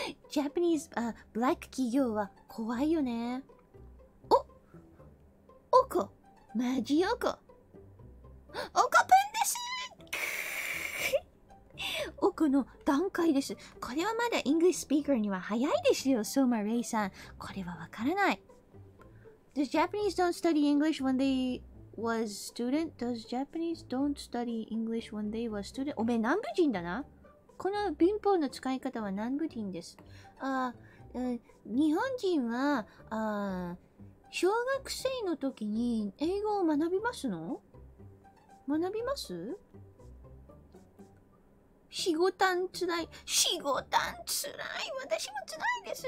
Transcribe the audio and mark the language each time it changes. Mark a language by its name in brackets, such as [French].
[Japanese] ジャパニーズ、ブラック企業は怖いよね。お、おこ、マジおこ。おこぷんです。おこの段階です。これはまだイングリッシュスピーカーには早いですよ、ソーマレイさん。これはわからない。 [English] Does Japanese don't study English when they was student? Does Japanese don't study English when they was student? [Japanese] おめえ南部人だな。この文法の使い方は南部人です。日本人は小学生の時に英語を学びますの？学びます？仕事んつらい。仕事んつらい。私もつらいです。